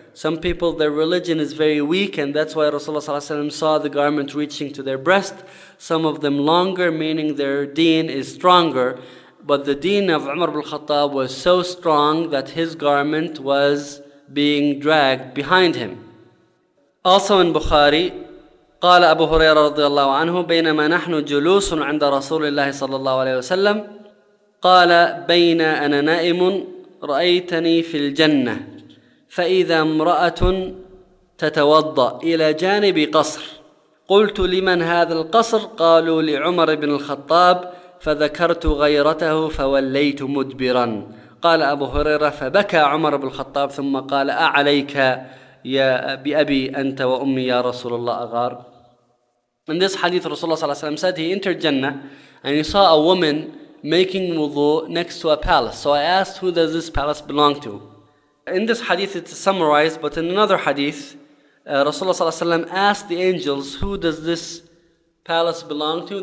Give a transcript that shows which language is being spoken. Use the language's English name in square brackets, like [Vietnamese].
[English] Some people, their religion is very weak, and that's why Rasulullah [Arabic] sallallahu alayhi wa sallam [English] saw the garment reaching to their breast. Some of them longer, meaning their deen is stronger. But the deen of Umar ibn al-Khattab was so strong that his garment was being dragged behind him. Also in Bukhari, [Arabic] قال أبو هريرة رضي الله عنه: بينما نحن جلوس عند رسول الله صلى الله عليه وسلم قال: بين أنا نائم رأيتني في الجنة، فإذا امرأة تتوضأ إلى جانب قصر، قلت: لمن هذا القصر؟ قالوا: لعمر بن الخطاب، فذكرت غيرته فوليت مدبرا. قال أبو هريرة: فبكى عمر بن الخطاب ثم قال: أعليك يا بأبي أنت وأمي يا رسول الله أغار. [English] In this hadith, Rasulullah [Arabic] صلى الله عليه وسلم [English] said he entered Jannah and he saw a woman making wudu next to a palace. So I asked, who does this palace belong to? In this hadith, it's summarized, but in another hadith, Rasulullah [Arabic] صلى الله عليه وسلم [English] asked the angels, who does this palace belong to?